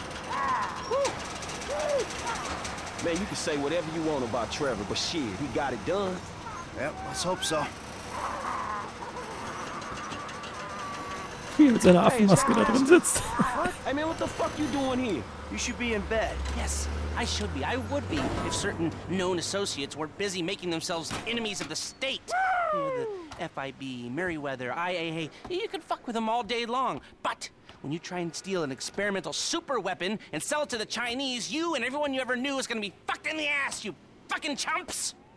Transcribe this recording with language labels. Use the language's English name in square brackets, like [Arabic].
[English] Man, you can say whatever you want about Trevor, but shit, he got it done. Yep, let's hope so. [German] Hier mit seiner Affenmaske da drin sitzt. [English] Hey man, what the fuck you doing here? You should be in bed. Yes, I should be. I would be if certain known associates were busy making themselves enemies of the state. Woo! The FIB, Meriwether, IAA, you could fuck with them all day long. But when you try and steal an experimental super weapon and sell it to the Chinese, you and everyone you ever knew is gonna be fucked in the ass, you fucking chumps.